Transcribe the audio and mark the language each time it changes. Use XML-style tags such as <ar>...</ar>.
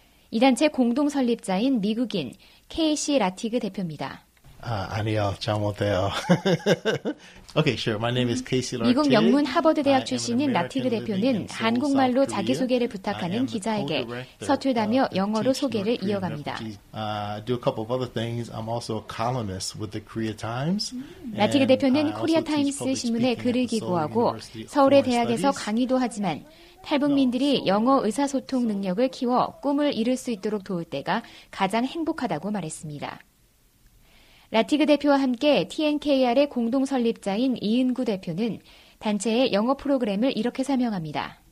<ko>이 단체 공동 설립자인 미국인 케이시 라티그 대표입니다. 아, 아니요. 잘못해요.</ko> <en>Okay, sure. My name is Casey Lartigue. 미국 명문 하버드 대학 출신인 라티그 대표는 한국말로 자기소개를 부탁하는 기자에게 서툴다며 영어로 소개를 이어갑니다. Do a couple of other things. I'm also a columnist with the Korea Times.</en> <ko>라티그 대표는 코리아 타임스 신문에 글을 기고하고 서울의 대학에서 강의도 하지만 탈북민들이 영어 의사소통 능력을 키워 꿈을 이룰 수 있도록 도울 때가 가장 행복하다고 말했습니다. 라티그 대표와 함께 TNKR의 공동 설립자인 이은구 대표는 단체의 영어 프로그램을 이렇게 설명합니다.</ko>